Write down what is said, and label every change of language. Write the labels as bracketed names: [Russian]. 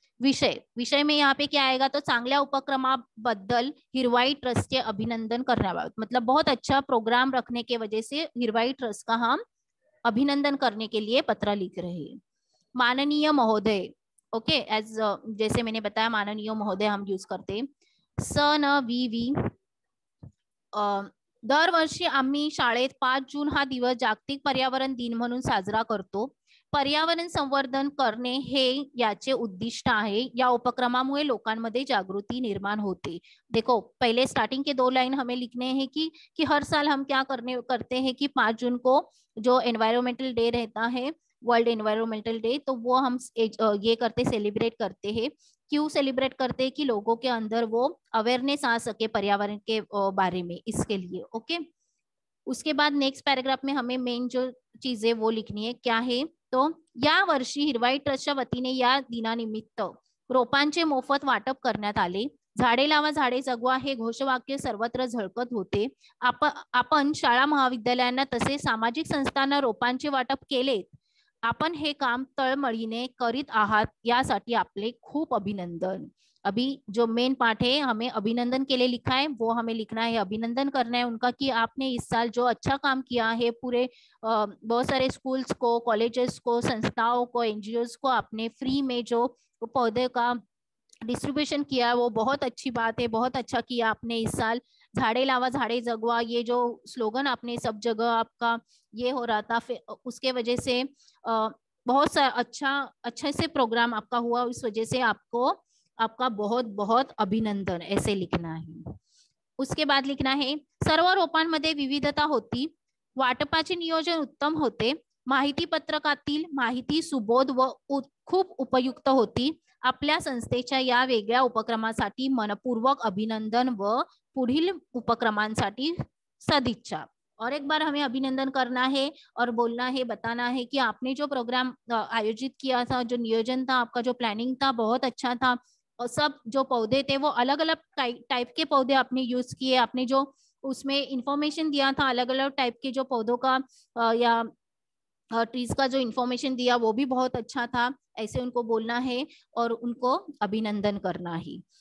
[Hindi] विषय, विषय में यहाँ पे क्या आएगा, तो [Marathi] चांगल्या उपक्रमा बद्दल [Hindi] हिरवाई ट्रस्ट के अभिनंदन करने वाला, मतलब बहुत अच्छा प्रोग्राम रखने के वजह से हिरवाई ट्रस्ट का हम अभिनंदन करने के लिए पत्र लिख रहे हैं। माननीय महोदय, ओके, जैसे मैंने बताया माननीय महोदय हम यूज करते हैं। [Marathi] स न वी वी, दर वर्षी आम्ही शाळेत 5 जून हा दिवस जागतिक पर्यावरण दिन म्हणून साजरा करतो। पर्यावरण संवर्धन करणे हे याचे उद्दिष्ट आहे, या उपक्रमामुळे लोकांमध्ये जागृती निर्माण होते। [Hindi] देखो पहिले स्टार्टिंग के 2 लाइन हमें लिखने हैं कि हर साल हम क्या करते हैं कि 5 जून को जो एनवायरमेंटल डे रहता है, वर्ल्ड एनवायरमेंटल डे, तो वो हम ये करते सेलिब्रेट करते हैं। क्यों सेलिब्रेट करते हैं, कि लोगों के अंदर वो अवेयरनेस आ सके पर्यावरण के बारे में, इसके लिए। ओके, उसके बाद नेक्स्ट पैराग्राफ में हमें मेन जो चीज है वो लिखनी है, क्या है, तो [Marathi] या वर्षी हिरवाई ट्रस्टच्या वतीने या दिनानिमित्त रोपांचे मोफत वाटप करण्यात आले। झाडे लावा झाडे जगवा हे घोषवाक्य सर्वत्र झळकत होते। आपण शाळा महाविद्यालयांना तसे सामाजिक संस्थांना रोपांचे वाटप केले, आपण हे काम तळमळीने करीत आहात, यासाठी आपले खूप अभिनंदन। [Hindi] अभी जो मेन पार्ट है हमें अभिनंदन के लिए लिखा है, वो हमें लिखना है, अभिनंदन करना है उनका कि आपने इस साल जो अच्छा काम किया है, पूरे बहुत सारे स्कूल्स को, कॉलेजेस को, संस्थाओं को, एनजीओस को आपने फ्री में जो पौधे का डिस्ट्रीब्यूशन किया है वो बहुत अच्छी बात है, बहुत अच्छा किया आपने इस साल। [Marathi] झाड़े लावा झाड़े जगवा, [Hindi] ये जो स्लोगन आपने सब जगह आपका ये हो रहा था, फिर उसके वजह से बहुत सा अच्छे से प्रोग्राम आपका हुआ, उस वजह से आपको आपका बहुत बहुत अभिनंदन, ऐसे लिखना है। उसके बाद लिखना है [Marathi] सर्व रोपांमध्ये विविधता होती, वाटपाचे नियोजन उत्तम होते, माहिती पत्रकातील माहिती सुबोध व खूप उपयुक्त होती, आपल्या संस्थेच्या या वेगळ्या उपक्रमासाठी मनपूर्वक अभिनंदन व पुढील उपक्रमांसाठी सदिच्छा। [Hindi] और एक बार हमें अभिनंदन करना है और बोलना है, बताना है कि आपने जो प्रोग्राम आयोजित किया था, जो नियोजन था आपका, जो प्लानिंग था, बहुत अच्छा था, और सब जो पौधे थे वो अलग अलग टाइप के पौधे आपने यूज किए, आपने जो उसमें इंफॉर्मेशन दिया था अलग अलग टाइप के जो पौधों का या ट्रीज का जो इन्फॉर्मेशन दिया वो भी बहुत अच्छा था, ऐसे उनको बोलना है और उनको अभिनंदन करना है।